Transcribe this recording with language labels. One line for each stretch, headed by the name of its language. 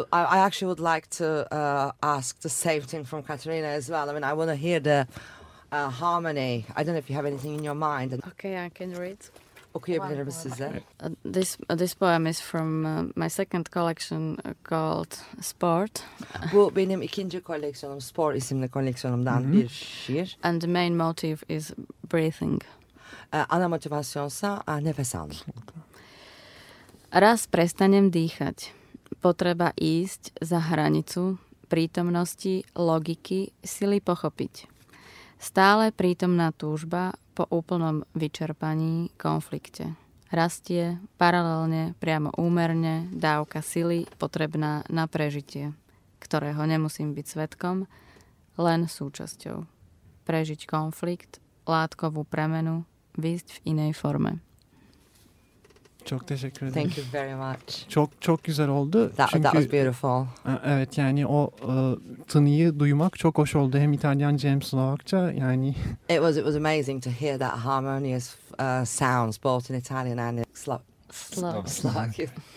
English: I actually would like to ask the same thing from Katarina as well. I mean, I want to hear the harmony. I don't know if you have anything in your mind. Okay, I can read.
Turkish: Okuyabilirim size.
English: This poem is from my second collection called Sport.
Turkish: Bu benim ikinci koleksiyonum, Sport isimli koleksiyonumdan mm-hmm. bir şiir.
English: And the main motif is breathing.
Turkish: Ana motivasyonsa nefes almak.
Slovak: Raz prestanem dýchať. Potreba ísť za hranicu prítomnosti, logiky, sily pochopiť. Stále prítomná túžba po úplnom vyčerpaní, konflikte. Rastie paralelne, priamo úmerne dávka sily potrebná na prežitie, ktorého nemusím byť svedkom, len súčasťou. Prežiť konflikt, látkovú premenu, vyjsť v inej forme.
Turkish: Çok teşekkür ederim.
English: Thank you very much.
Turkish: Çok çok güzel oldu.
English: That was beautiful.
Turkish: Evet, yani o tınıyı duymak çok hoş oldu. Hem İtalyanca hem Slovakça, yani.
English: It was amazing to hear that harmonious sounds both in Italian and in Slovakia.